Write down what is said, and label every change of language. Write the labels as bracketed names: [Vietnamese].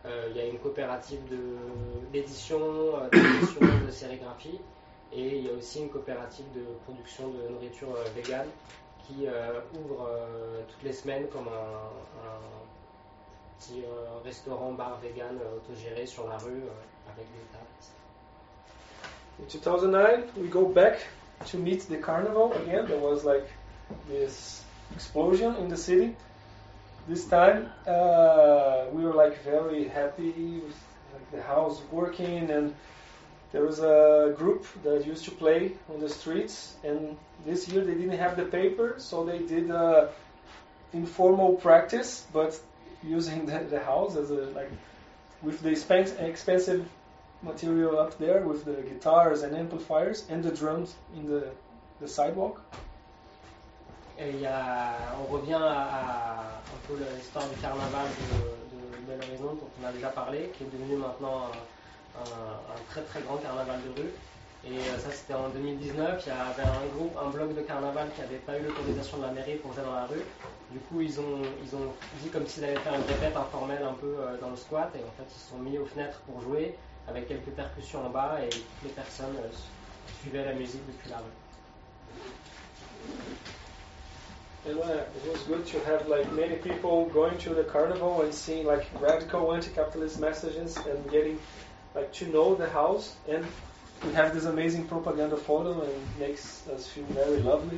[French] Il y a une coopérative d'édition de sérigraphie et il y a aussi une coopérative de production de nourriture végane. Qui ouvre toutes les semaines comme un petit restaurant bar vegan autogéré sur la rue avec des tables. [English] In 2009, we go back to meet the carnival again. There was like this explosion in the city. This time, we were like very happy with like, the house working, and there was a group that used to play on the streets, and this year they didn't have the paper, so they did an informal practice, but using the house as a, like, with the expensive material up there, with the guitars and amplifiers and the drums in the sidewalk. [French] Et y a, on revient à un peu l'histoire du carnaval de Belle Horizon, dont on a déjà parlé, qui est devenu maintenant un très très grand carnaval de rue. Et ça, c'était en 2019. Il y avait un groupe, un bloc de carnaval qui n'avait pas eu l'autorisation de la mairie pour jouer dans la rue. Du coup, ils ont dit comme s'ils avaient fait un répète informel un peu dans le squat. Et en fait, ils se sont mis aux fenêtres pour jouer avec quelques percussions en bas et toutes les personnes suivaient la musique depuis la rue. [English] And it was good to have like many people going to the carnival and seeing like radical anti-capitalist messages and getting like to know the house, and we have this amazing propaganda photo and makes us feel very lovely.